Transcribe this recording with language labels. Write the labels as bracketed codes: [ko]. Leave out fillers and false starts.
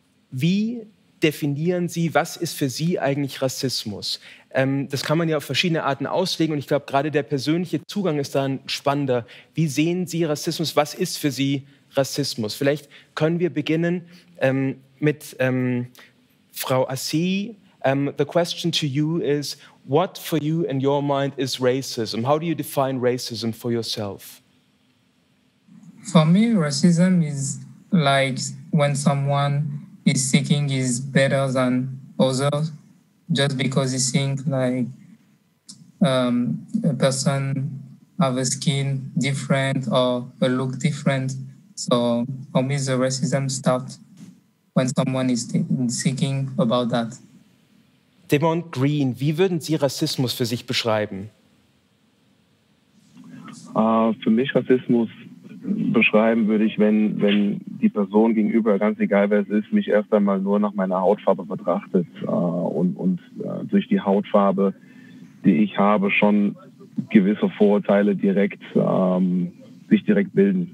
[de] Wie definieren Sie, was ist für Sie eigentlich Rassismus? Das kann man ja auf verschiedene Arten auslegen und ich glaube, gerade der persönliche Zugang ist da ein spannender. Wie sehen Sie Rassismus? Was ist für Sie Rassismus? Vielleicht können wir beginnen mit Frau Assayi. [en] The question to you is, what for you in your mind is racism? How do you define racism for yourself? For me, racism is like when someone is thinking is better than others just because he thinks like a person have a skin different or a look different. So for me, the racism starts when someone is thinking about that. [de] Damon Green, wie würden Sie Rassismus für sich beschreiben? Für mich Rassismus beschreiben würde ich, wenn die Person gegenüber, ganz egal wer es ist, mich erst einmal nur nach meiner Hautfarbe betrachtet und durch die Hautfarbe, die ich habe, schon gewisse Vorurteile direkt bilden.